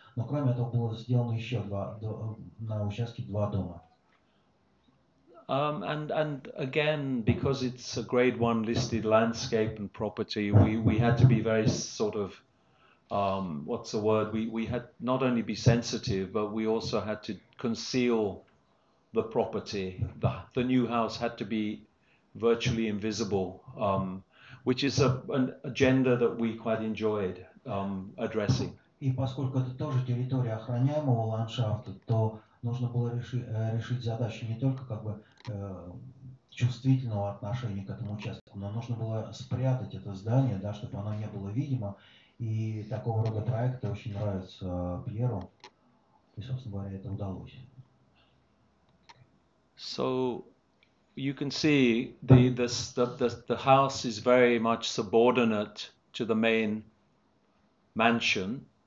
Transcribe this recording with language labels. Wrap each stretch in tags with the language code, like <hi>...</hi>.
<ru>Но кроме этого было сделано еще на участке два дома.</ru> <en>And again, because it's a grade one listed landscape and property, we had to be very sort of what's the word? We had not only be sensitive, but we also had to conceal the property. The new house had to be virtually invisible, which is an agenda that we quite enjoyed addressing.</en> <ru>И поскольку это тоже территория охраняемого ландшафта, то нужно было решить задачу не только как бы чувствительного отношения к этому участку, но нужно было спрятать это здание, да, чтобы оно не было видимо. И такого рода проекты очень нравятся Пьеру, и, собственно говоря, это удалось.</ru> <en>So you can see the house is very much subordinate to the main mansion.</en>